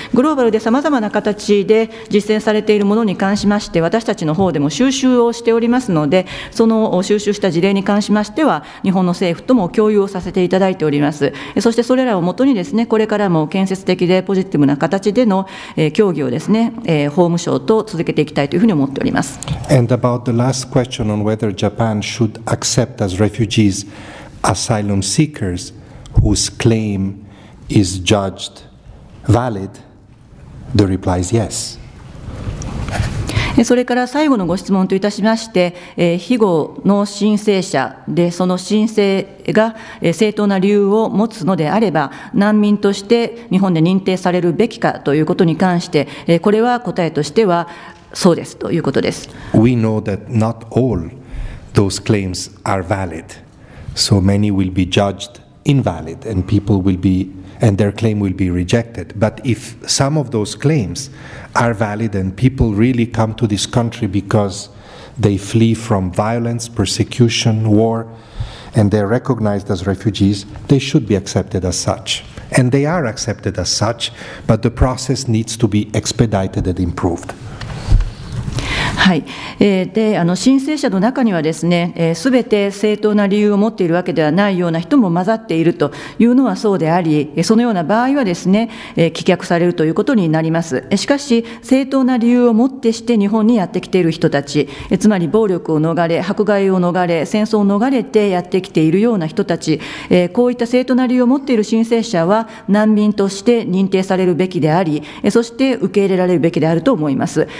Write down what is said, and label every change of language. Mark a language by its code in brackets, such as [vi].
[ja] グローバルでさまざまな形で実践されているものに関しまして、私たちの方でも収集をしておりますので、その収集した事例に関しましては日本の政府とも共有をさせていただいております。そしてそれらをもとにですね、これからも建設的でポジティブな形での協議をですね、法務省と続けていきたいというふうに思っております。 [en] And about the last question on whether Japan should accept as refugees asylum seekers whose claim is judged validThe reply is yes. [ja] それから最後のご質問といたしまして、庇護の申請者でその申請が正当な理由を持つのであれば、難民として日本で認定されるべきかということに関して、これは答えとしてはそうですということです。 [en] We know that not all those claims are valid, so many will be judged invalid and people will beand their claim will be rejected. But if some of those claims are valid and people really come to this country because they flee from violence, persecution, war, and they're recognized as refugees, they should be accepted as such. And they are accepted as such, but the process needs to be expedited and improved. は [ja] はい、で申請者の中にはですね、すべて正当な理由を持っているわけではないような人も混ざっているというのはそうであり、そのような場合はですね、棄却されるということになります。しかし正当な理由を持ってして日本にやってきている人たち、つまり暴力を逃れ、迫害を逃れ、戦争を逃れてやってきているような人たち、こういった正当な理由を持っている申請者は難民として認定されるべきであり、そして受け入れられるべきであると思います。